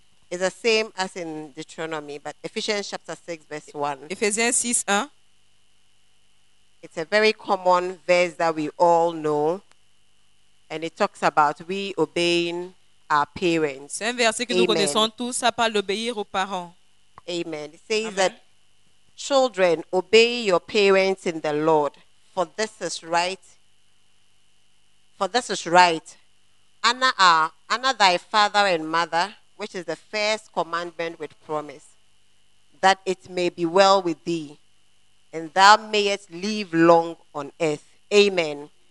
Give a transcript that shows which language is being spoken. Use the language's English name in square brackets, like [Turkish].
[English] It's the same as in Deuteronomy, but Ephesians chapter 6 verse 1. Ephesians 6, 1. It's a very common verse that we all know, and it talks about we obeying our parents. [French] C'est un verset que nous connaissons tous, ça parle d'obéir aux parents. [English] Amen. It says Amen. That children, obey your parents in the Lord, for this is right. For this is right. Honor thy father and mother, which is the first commandment with promise, that it may be well with thee, and thou mayest live long on earth. Amen.